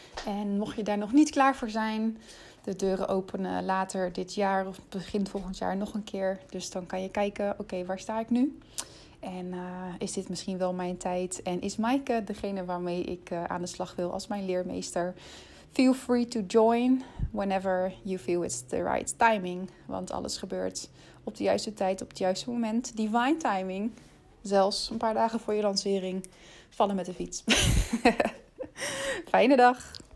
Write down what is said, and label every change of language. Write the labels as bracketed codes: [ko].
[nl] En mocht je daar nog niet klaar voor zijn, de deuren openen later dit jaar of begin volgend jaar nog een keer. Dus dan kan je kijken, oké, waar sta ik nu? En is dit misschien wel mijn tijd? En is Maaike degene waarmee ik aan de slag wil als mijn leermeester? [en] Feel free to join whenever you feel it's the right timing. [nl] Want alles gebeurt op de juiste tijd, op het juiste moment. [en] Divine timing. [nl] Zelfs een paar dagen voor je lancering. Vallen met de fiets. Fijne dag.